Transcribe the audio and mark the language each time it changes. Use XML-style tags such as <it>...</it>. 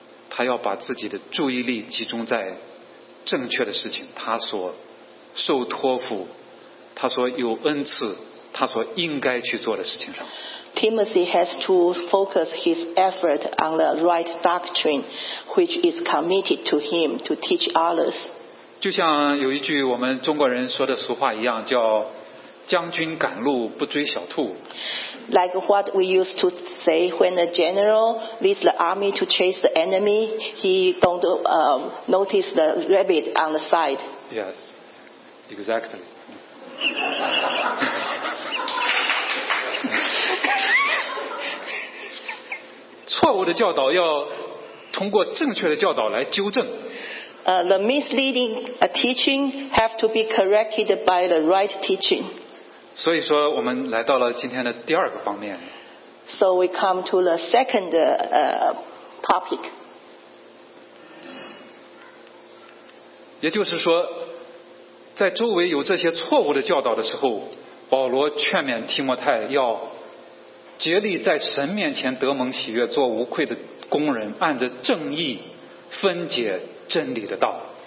<zh>他要把自己的注意力集中在正确的事情，他所受托付，他所有恩赐，他所应该去做的事情上。Timothy</zh> <en>has to focus his effort on the right doctrine, which is committed to him to teach others.</en> <zh>就像有一句我们中国人说的俗话一样，叫将军赶路不追小兔。</zh> <en>Like what we used to say when a general leads the army to chase the enemy, he don't notice the rabbit on the side. Yes, exactly.</en> <zh>错误的教导要通过正确的教导来纠正。</zh> <en>The misleading teaching have to be corrected by the right teaching.</en> <zh>所以说我们来到了今天的第二个方面。</zh> <en>So we come to the second topic.</en> <zh>也就是说，在周围有这些错误的教导的时候，保罗劝勉提摩太要竭力在神面前得蒙喜悦，做无愧的工人，按着正义分解真理的道。</zh>